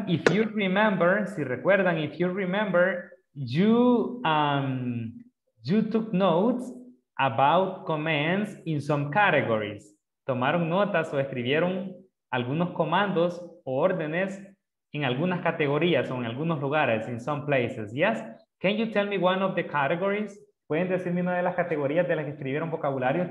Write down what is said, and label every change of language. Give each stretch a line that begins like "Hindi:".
English: If you remember, you took notes about commands in some categories.
Spanish: Tomaron notas o escribieron algunos comandos o órdenes en algunas categorías o en algunos lugares,
English: in some places. Yes? Can you tell me one of the categories?
Spanish: ¿Pueden decirme una de las categorías de las que escribieron vocabulario?